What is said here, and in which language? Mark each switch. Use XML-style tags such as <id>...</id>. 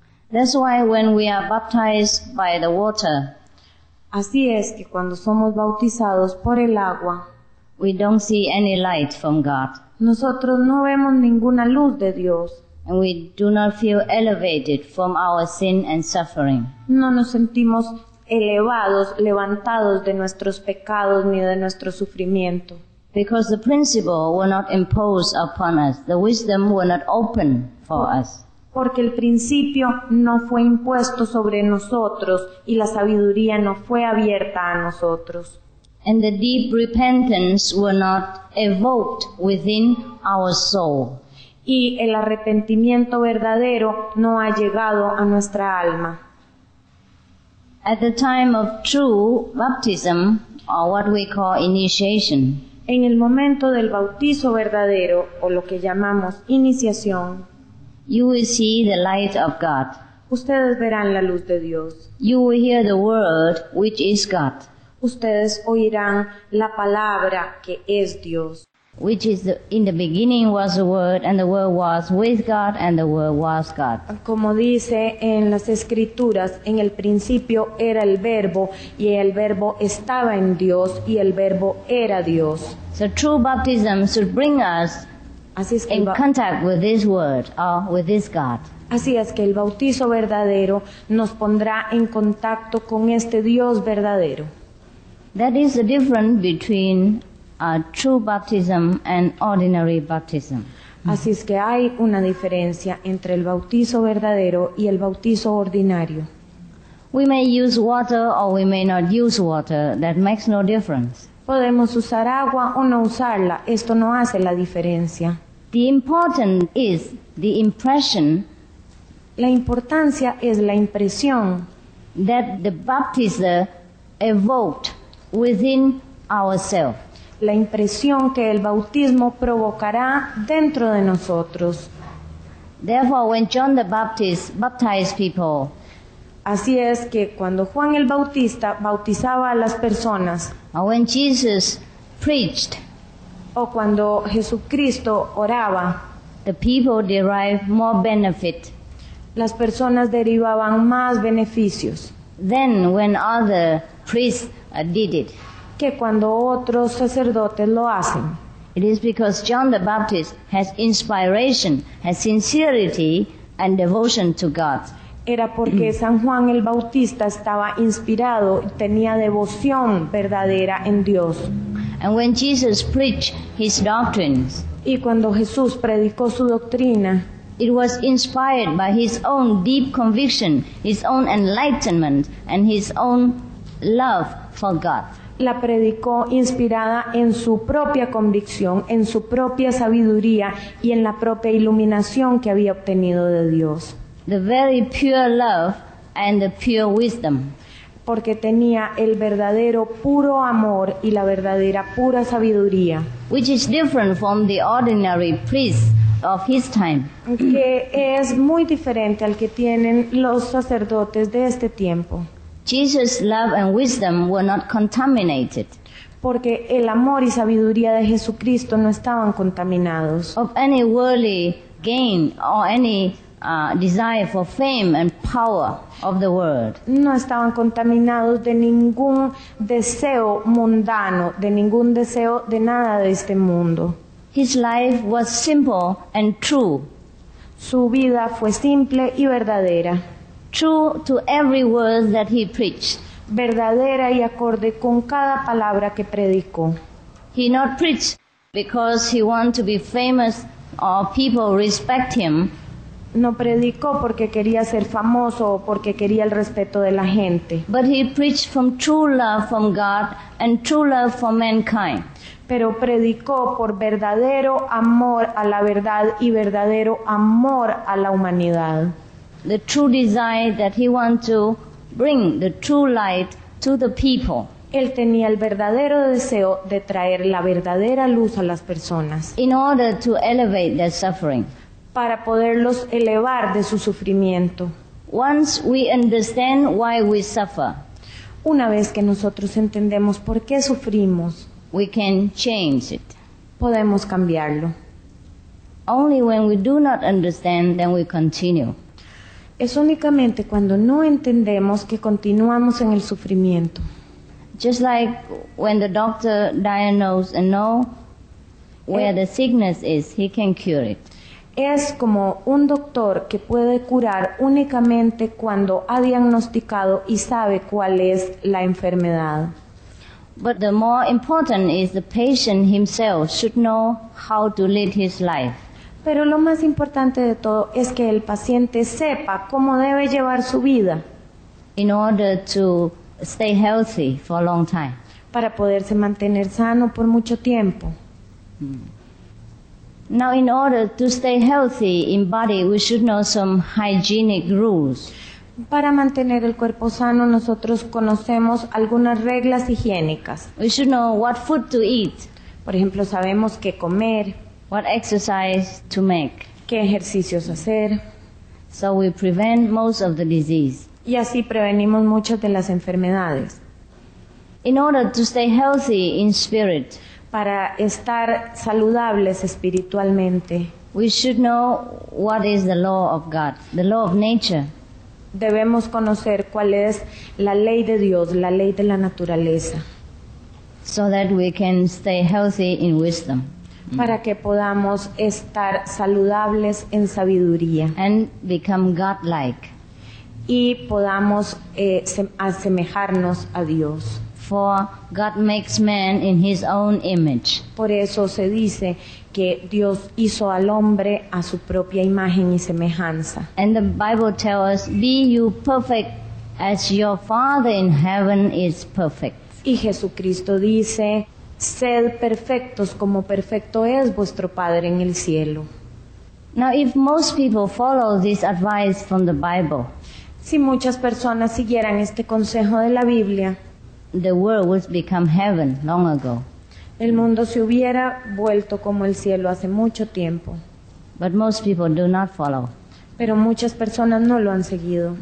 <en>That's why when we are baptized by the water,</en> <es>así es que cuando somos bautizados por el agua,</es> <en>we don't see any light from God.</en> <es>Nosotros no vemos ninguna luz de Dios.</es> <en>And we do not feel elevated from our sin and suffering.</en> <es>No nos sentimos elevados, levantados de nuestros pecados ni de nuestro sufrimiento.</es> <en>Because the principle will not impose upon us, the wisdom will not open for us.</en> <es>Porque el principio no fue impuesto sobre nosotros y la sabiduría no fue abierta a nosotros.</es> <en>And the deep repentance were not evoked within our soul.</en> <es>Y el arrepentimiento verdadero no ha llegado a nuestra alma.</es> <en>At the time of true baptism, or what we call initiation,</en> <es>en el momento del bautizo verdadero, o lo que llamamos iniciación,</es> <en>you will see the light of God.</en> <es>Ustedes verán la luz de Dios.</es> <en>You will hear the word which is God.</en> <es>Ustedes oirán la palabra que es Dios.</es> <en>Which is the, in the beginning was the word, and the word was with God, and the word was God.</en> <es>Como dice en las escrituras, en el principio era el verbo, y el verbo estaba en Dios, y el verbo era Dios.</es> <en>So true baptism should bring us in contact with this word, or with this God.</en> <es>Así es que el bautizo verdadero nos pondrá en contacto con este Dios verdadero.</es> <en>That is the difference between a true baptism and ordinary baptism.</en> <es>Así es que hay una diferencia entre el bautizo verdadero y el bautizo ordinario.</es> <en>We may use water or we may not use water. That makes no difference.</en> <es>Podemos usar agua o no usarla. Esto no hace la diferencia.</es> <en>The important is the impression.</en> <es>La importancia es la impresión</es> <en>that the baptizer evoked within ourselves.</en> <es>La impresión que el bautismo provocará dentro de nosotros.</es> <en>Therefore, when John the Baptist baptized people,</en> <es>así es que cuando Juan el Bautista bautizaba a las personas,</es> <en>or when Jesus preached,</en> <es>o cuando Jesucristo oraba,</es> <en>the people derived more benefit.</en> <es>Las personas derivaban más beneficios.</es> <en>Then, when other priests did it,</en> <es>que cuando otros sacerdotes lo hacen.</es> <en>It is because John the Baptist has inspiration, has sincerity and devotion to God.</en> <es>Era porque San Juan el Bautista estaba inspirado y tenía devoción verdadera en Dios.</es> <en>And when Jesus preached his doctrines,</en> <es>y cuando Jesús predicó su doctrina,</es> <en>it was inspired by his own deep conviction, his own enlightenment and his own love for God.</en> <es>La predicó inspirada en su propia convicción, en su propia sabiduría y en la propia iluminación que había obtenido de Dios.</es> <en>The very pure love and the pure wisdom.</en> <es>Porque tenía el verdadero puro amor y la verdadera pura sabiduría.</es> <en>Which is different from the ordinary priests of his time.</en> <es>Que es muy diferente al que tienen los sacerdotes de este tiempo.</es> <en>Jesus' love and wisdom were not contaminated.</en> <es>Porque el amor y sabiduría de Jesucristo no estaban contaminados.</es> <en>Of any worldly gain or any desire for fame and power of the world.</en> <es>No estaban contaminados de ningún deseo mundano, de ningún deseo de nada de este mundo.</es> <en>His life was simple and true.</en> <es>Su vida fue simple y verdadera.</es> <en>True to every word that he preached.</en> <es>Verdadera y acorde con cada palabra que predicó.</es> <en>He not preached because he wanted to be famous or people respect him.</en> <es>No predicó porque quería ser famoso o porque quería el respeto de la gente.</es> <en>But he preached from true love from God and true love for mankind.</en> <es>Pero predicó por verdadero amor a la verdad y verdadero amor a la humanidad.</es> <en>The true desire that he wanted to bring the true light to the people.</en> <es>Él tenía el verdadero deseo de traer la verdadera luz a las personas.</es> <en>In order to elevate their suffering.</en> <es>Para poderlos elevar de su sufrimiento.</es> <en>Once we understand why we suffer,</en> <es>una vez que nosotros entendemos por qué sufrimos,</es> <en>we can change it.</en> <es>Podemos cambiarlo.</es> <en>Only when we do not understand, then we continue.</en> <es>Es únicamente cuando no entendemos que continuamos en el sufrimiento.</es> <en>Just like when the doctor diagnoses and knows where the sickness is, he can cure it.</en> <es>Es como un doctor que puede curar únicamente cuando ha diagnosticado y sabe cuál es la enfermedad.</es> <en>But the more important is the patient himself should know how to lead his life.</en> <es>Pero lo más importante de todo es que el paciente sepa cómo debe llevar su vida.</es> <en>In order to stay healthy for a long time.</en> <es>Para poderse mantener sano por mucho tiempo.</es> <en>Now, in order to stay healthy in body, we should know some hygienic rules.</en> <es>Para mantener el cuerpo sano, nosotros conocemos algunas reglas higiénicas.</es> <en>We should know what food to eat.</en> <es>Por ejemplo, sabemos qué comer.</es> <en>What exercise to make.</en> <es>Qué ejercicios hacer.</es> <en>So we prevent most of the disease.</en> <es>Y así prevenimos muchas de las enfermedades.</es> <en>In order to stay healthy in spirit.</en> <es>Para estar saludables espiritualmente.</es> <en>We should know what is the law of God, the law of nature.</en> <es>Debemos conocer cuál es la ley de Dios, la ley de la naturaleza.</es> <en>So that we can stay healthy in wisdom.</en> <es>Para que podamos estar saludables en sabiduría.</es> <en>And become God-like.</en> <es>Y podamos asemejarnos a Dios.</es> <en>For God makes man in his own image.</en> <es>Por eso se dice que Dios hizo al hombre a su propia imagen y semejanza.</es> <en>And the Bible tells us, be you perfect as your Father in heaven is perfect.</en> <es>Y Jesucristo dice, sed perfectos como perfecto es vuestro Padre en el cielo.</es> <en>Now if most people follow this advice from the Bible,</en> <es>si muchas personas siguieran este consejo de la Biblia,</es> <en>the world would become heaven long ago.</en> <es>El mundo se hubiera vuelto como el cielo hace mucho tiempo.</es> <en>But most people do not follow.</en> <es>Pero muchas personas no lo han seguido.</es>